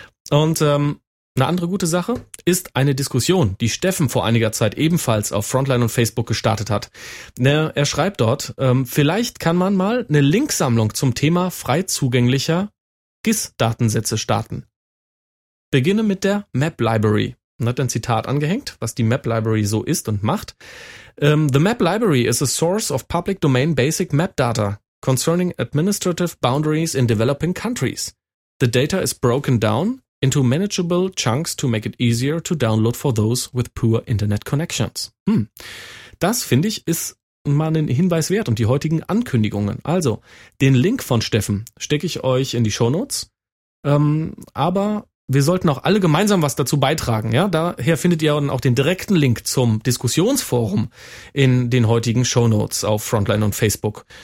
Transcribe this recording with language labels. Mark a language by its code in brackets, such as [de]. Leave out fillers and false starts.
[de] Und eine andere gute Sache ist eine Diskussion, die Steffen vor einiger Zeit ebenfalls auf Frontline und Facebook gestartet hat. Er schreibt dort, vielleicht kann man mal eine Linksammlung zum Thema frei zugänglicher GIS-Datensätze starten. Beginne mit der Map Library. Und hat ein Zitat angehängt, was die Map Library so ist und macht. [en] The Map Library is a source of public domain basic map data concerning administrative boundaries in developing countries. The data is broken down into manageable chunks to make it easier to download for those with poor internet connections. [de] Das finde ich ist mal einen Hinweis wert und die heutigen Ankündigungen. Also, den Link von Steffen stecke ich euch in die Shownotes. Aber wir sollten auch alle gemeinsam was dazu beitragen, ja? Daher findet ihr dann auch den direkten Link zum Diskussionsforum in den heutigen Shownotes auf Frontline und Facebook.